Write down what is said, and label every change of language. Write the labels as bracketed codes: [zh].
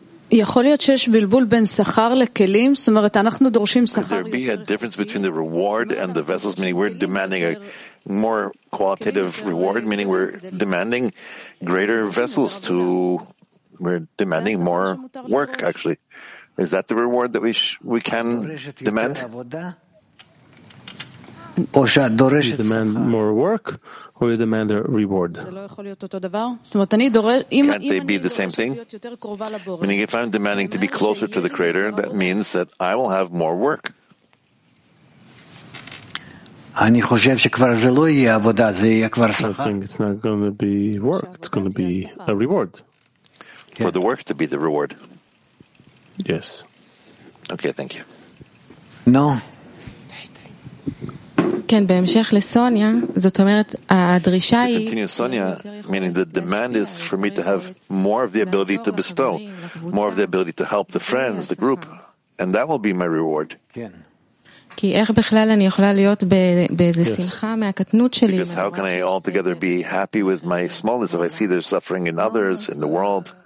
[he] יכול להיות שיש בלבול בין שכר לכלים, זאת אומרת, אנחנו דורשים שכר... [en] Could there be a difference between the reward and the vessels, meaning we're demanding a more qualitative reward, meaning we're demanding greater vessels to... We're demanding more work, actually. Is that the reward that we can demand? You demand more work or you demand a reward? Can't they be the same thing? Meaning if I'm demanding to be closer to the Creator, that means that I will have more work. I think it's not going to be work, it's going to be a reward. For the work to be the reward? Yes. Okay, thank you. No. [he] כן, בהמשך לסוניה, זאת אומרת, הדרישה היא... [en] To continue, Sonia, meaning the demand is for me to have more of the ability to bestow, more of the ability to help the friends, the group, and that will be my reward. [he] כן. כי איך בכלל אני יכולה להיות באיזה שמחה מהקטנות שלי? [en] Because how can I altogether be happy with my smallness if I see there's suffering in others, in the world?